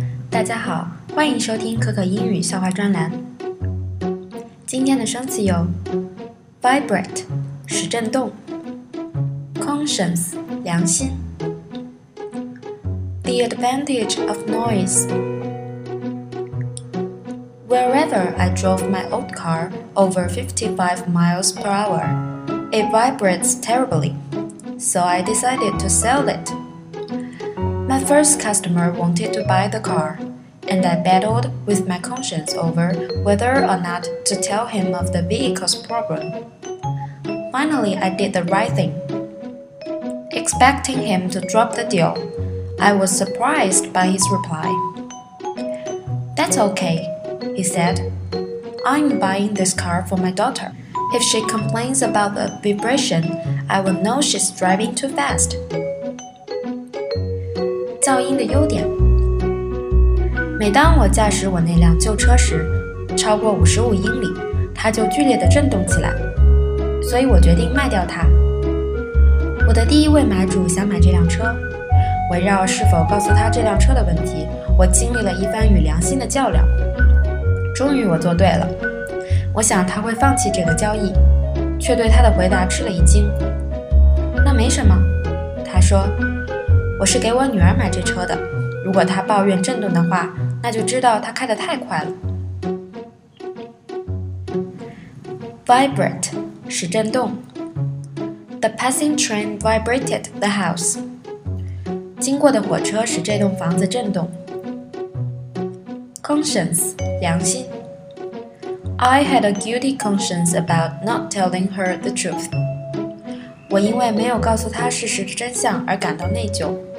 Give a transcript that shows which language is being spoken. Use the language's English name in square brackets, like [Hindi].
[Chinese] 大家好，欢迎收听可可英语笑话专栏。今天的生词有 vibrate 是震动， conscience 良心， [English] the advantage of noise。 Wherever I drove my old car over 55 miles per hour, it vibrates terribly, so I decided to sell it. My first customer wanted to buy the car. And I battled with my conscience over whether or not to tell him of the vehicle's problem. Finally, I did the right thing. Expecting him to drop the deal, I was surprised by his reply. That's okay, he said. I'm buying this car for my daughter. If she complains about the vibration, I will know she's driving too fast. [Chinese] 噪音的优点。每当我驾驶我那辆旧车时，超过55英里，它就剧烈地震动起来，所以我决定卖掉它。我的第一位买主想买这辆车，围绕是否告诉他这辆车的问题，我经历了一番与良心的较量。终于我做对了，我想他会放弃这个交易，却对他的回答吃了一惊。那没什么，他说，我是给我女儿买这车的。如果他抱怨震动的话，那就知道他开得太快了。 Vibrate 是震动。 [English] The passing train vibrated the house. [Chinese] 经过的火车使这栋房子震动。Conscience 良心。 [English] I had a guilty conscience about not telling her the truth. [Chinese] 我因为没有告诉她事实的真相而感到内疚。